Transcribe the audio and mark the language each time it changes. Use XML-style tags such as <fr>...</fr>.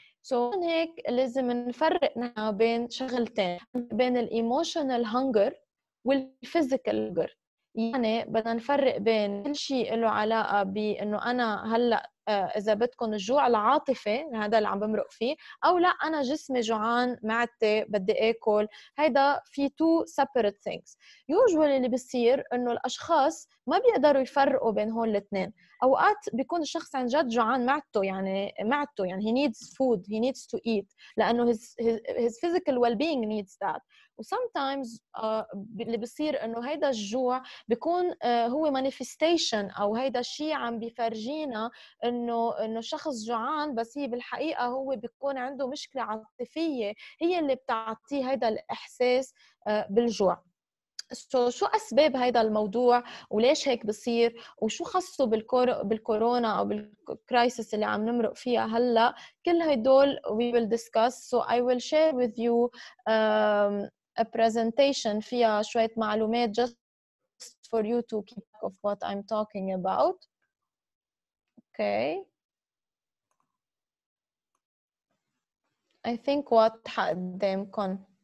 <ar>So هيك لازم نفرق بين شغلتين، بين الإيموشنال هنجر والفيزيكال هنجر. يعني بدنا نفرق بين كل شيء له علاقة بأنه أنا هلأ إذا بدكم الجوع العاطفي هذا اللي عم بمرق فيه، أو لا أنا جسمي جوعان معدتي بدي أكل. هيدا في</ar> <en>two separate things.</en> <ar>usually اللي بيصير إنه الأشخاص ما بيقدروا يفرقوا بين هول الاثنين. أوقات بيكون الشخص عن جد جوعان معدته يعني</ar> <en>he needs food, he needs to eat</en> <ar>لأنه</ar> <en>his physical well-being needs that.</en> <ar>sometimes اللي بيصير إنه هيدا الجوع بيكون هو manifestation أو هيدا الشيء عم بيفرجينا إنه شخص جوعان، بس هي بالحقيقة هو بيكون عنده مشكلة عاطفية هي اللي بتعطيه هيدا الإحساس بالجوع. شو أسباب هيدا الموضوع وليش هيك بصير وشو خصه بالكورونا أو بالكرايسس اللي عم نمرق فيها هلأ، كل هيدول</ar> <en>we will discuss. So I will share with you a presentation</en> <ar>فيها شوية معلومات</ar> <en>just for you to keep track of what I'm talking about. Okay. I think what حقدمكم.</en>